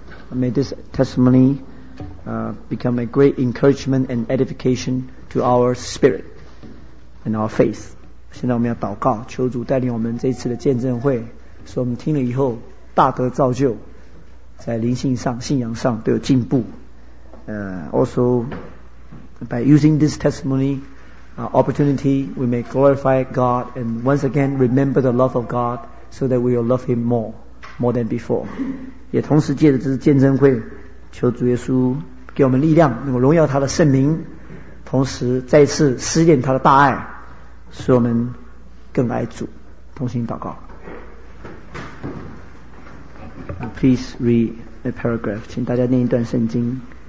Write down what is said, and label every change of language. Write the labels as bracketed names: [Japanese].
[English] May this testimony become a great encouragement and edification to our spirit and our faith. [Chinese] 现在我们要祷告，求主带领我们这一次的见证会，使我们听了以后大得造就，在灵性上、信仰上都有进步。 [English] Also, by using this testimony, opportunity, we may glorify God and once again remember the love of God so that we will love Him more than before. [Chinese] 也同时借着这次见证会，求主耶稣给我们力量，能够荣耀他的圣名，同时再次施恩他的大爱，使我们更爱主。同心祷告。 [English] Please read a paragraph. [Chinese] 请大家念一段圣经。